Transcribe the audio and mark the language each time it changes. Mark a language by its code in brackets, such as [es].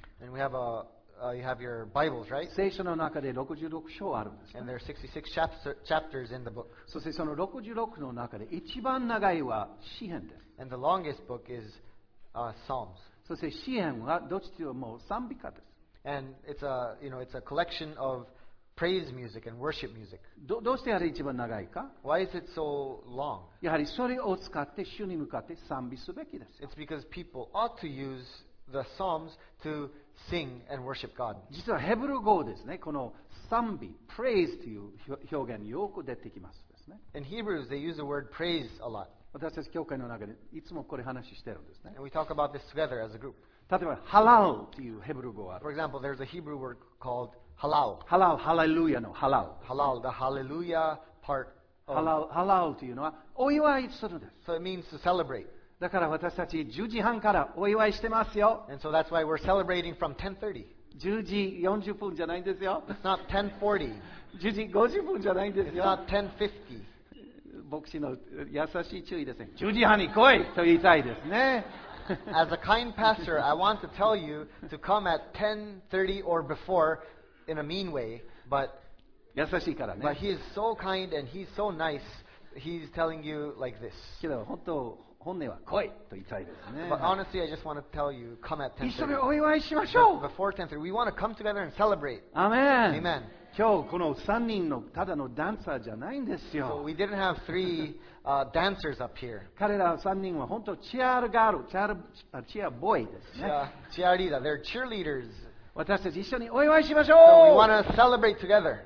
[en] And we have you have your Bibles, right? [ja] 聖書の中で66章あるんです、ね。 [en] And there are 66 chapters in the book. [ja] そしてその66の中で一番長いは詩編です。 [en] And the longest book is Psalms. [ja] そして詩編はどっちかというともう賛美歌です。 [en] And it's a, you know, it's a collection of praise music and worship music. [ja] どうしてあれ一番長いか？ [en] Why is it so long? [ja] やはりそれを使って主に向かって賛美すべきです。 [en] It's because people ought to use the Psalms to sing and worship God. [ja] 実はヘブル語ですね。この賛美、praise という表現よく出てきますですね。 [en] In Hebrews, they use the word praise a lot. [ja] 私たち教会の中でいつもこれ話してるんですね。 [en] And we talk about this together as a group. [ja] 例えば、halal というヘブル語がある。 [en] For example, there's a Hebrew word called halal. Halal, hallelujah の halal. Halal, the hallelujah part [ja] ハラウというのはお祝いするんです。 [en] So it means to celebrate. [ja] だから私たち10時半からお祝いしてますよ。 [en] And so that's why we're celebrating from 10:30. [ja] 10時40分じゃないんですよ。 [en] It's not 10:40. [ja] 10時50分じゃないんですよ。 [en] It's not 10:50. [ja] 牧師の優しい注意ですね。10時半に来いと言いたいですね。 [en] As a kind pastor, I want to tell you to come at 10:30 or before in a mean way, but [ja] 優しいからね。 [en] But he is so kind and he's so nice. He's telling you like this. [ja] けど本当本音は来いと言いたいですね。 [en] But honestly, I just want to tell you, come at 10:30. [ja] 一緒にお祝いしましょう。 [en] Before 10:30, we want to come together and celebrate. Amen. Amen. [ja] 今日この3人のただのダンサーじゃないんですよ。 [en] So we didn't have three, dancers up here. [ja] 彼ら3人は本当チアガール、チアボーイですね。 [en] チアリーダー、they're cheerleaders. [ja] 私たち一緒にお祝いしましょう。 [en] So we want to celebrate together.